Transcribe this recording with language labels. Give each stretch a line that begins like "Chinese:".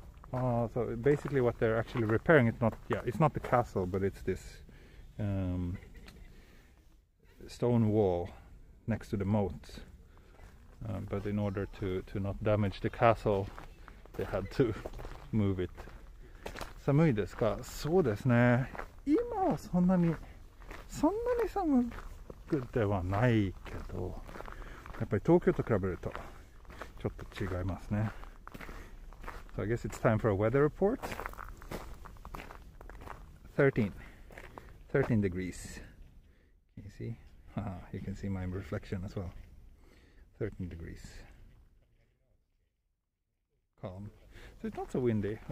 English: So basically what they're actually repairing, it's not the castle, but it's this stone wall next to the moat. But in order to not damage the castle, they had to move it.
Japanese: 寒いですか？そうですね。今はそんなに寒くではないけど、やっぱり東京と比べるとちょっと違いますね。
English: So I guess it's time for a weather report. 13 degrees. Can you see? You can see my reflection as well. 13 degrees. Calm. So it's not so windy.